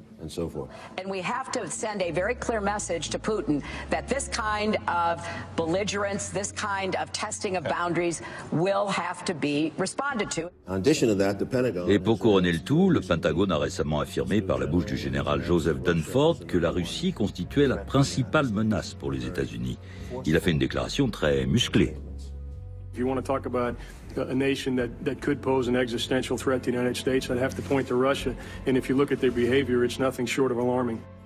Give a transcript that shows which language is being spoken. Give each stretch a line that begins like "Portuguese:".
English: And we have to send a very clear message to Putin that this kind of belligerence, this kind of testing of boundaries will have to be responded to. In addition to that, the Pentagon.
French: Et pour couronner le tout, le Pentagone a récemment affirmé par la bouche du général Joseph Dunford que la Russie constituait la principale menace pour les États-Unis. Il a fait une déclaration très musclée.
English: If you want to talk about a nation that could pose an existential threat to the United States, I'd have to point to Russia. And if you look at their behavior, it's nothing short of alarming.